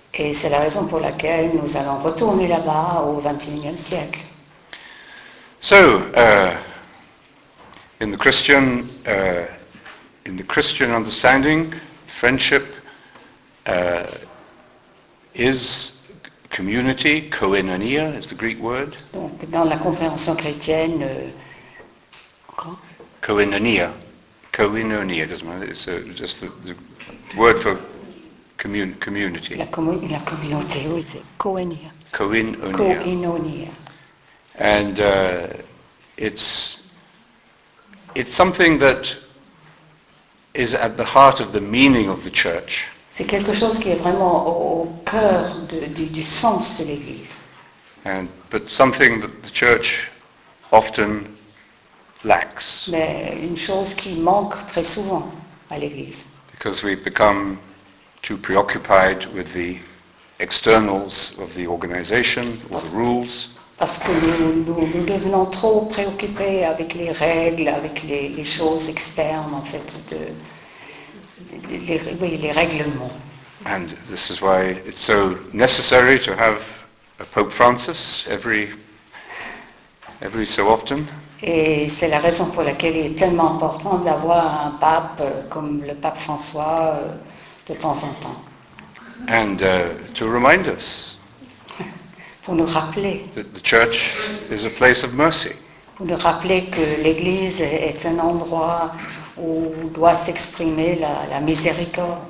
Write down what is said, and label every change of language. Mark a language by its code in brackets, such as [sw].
[fr] Et c'est la raison pour laquelle nous allons retourner là-bas au 21e siècle. [en] So, in the Christian understanding, friendship is community, koinonia is the Greek word. [fr] Donc, dans la compréhension chrétienne, [en] koinonia. Koinonia, it's just the word for community. [fr] La communauté, oui, c'est koinonia. [el] Koinonia. [en] And it's something that is at the heart of the meaning of the church. [fr] C'est quelque chose qui est vraiment au cœur du sens de l'Église. [en] But something that the church often lacks. [fr] Mais une chose qui manque très souvent à l'Église. [en] Because we become too preoccupied with the externals of the organization or the rules. [fr] Parce que nous devenons trop préoccupés avec les règles, avec les choses externes, en fait, les règlements. [en] And this is why it's so necessary to have a Pope Francis every so often. [fr] Et c'est la raison pour laquelle il est tellement important d'avoir un pape comme le pape François de temps en temps. [en] And to remind us. [fr] Pour nous rappeler. [en] The church is a place of mercy. [fr] Pour nous rappeler que l'Église est un endroit où doit s'exprimer la miséricorde.